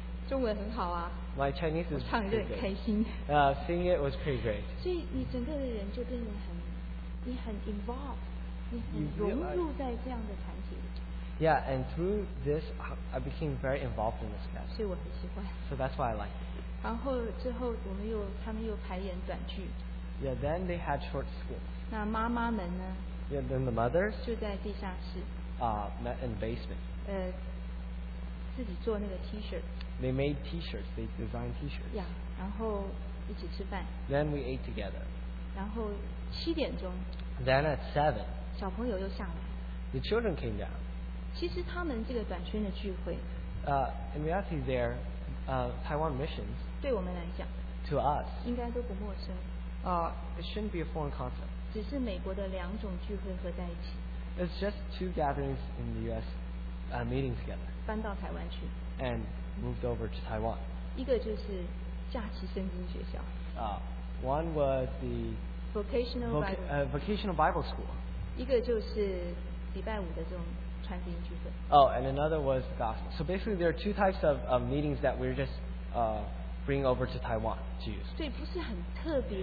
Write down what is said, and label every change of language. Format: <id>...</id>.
<zh>中文很好啊,</zh> <en>my Chinese is seeing it was pretty great.</en> <zh>所以你整个人就变得很 involved, 你很融入在这样的团体。</zh> <en>Yeah, and through this I became very involved in this class.</en> <zh>所以我很喜欢。</zh> <en>So that's why I like it.</en> <zh>然后之后他们又排演短剧。</zh> <en>Yeah, then they had short skits.</en> <zh>那妈妈们呢?</zh> <en>Yeah, then the mothers</en> <zh>就在地下室,</zh> <en>met in the basement.</en> <zh>自己做那个 T-shirt.</zh> <en>They made T-shirts. They designed T-shirts.</en> <zh>Yeah, 然后一起吃饭.</zh> <en>Then we ate together.</en> <zh>然后7点钟.</zh> <en>Then at 7.</en> <zh>小朋友又下来.</zh> <en>The children came down.</en> <zh>其实他们这个短宣的聚会,</zh> <en>in reality, their Taiwan missions,</en> <zh>对我们来讲,</zh> <en>to us,</en> <zh>应该都不陌生,</zh> <en>it shouldn't be a foreign concept.</en> <zh>只是美国的两种聚会合在一起,</zh> <en>it's just two gatherings in the U.S. Meeting together.</en> <zh>搬到台湾去,</zh> <en>and moved over to Taiwan.</en> <zh>一个就是假期圣经学校,</zh> <en>one was the vocational Bible school.</en> <zh>一个就是礼拜五的这种</zh> <en>Oh, and another was gospel. So basically, there are two types of meetings that we're just bringing over to Taiwan to use.</en>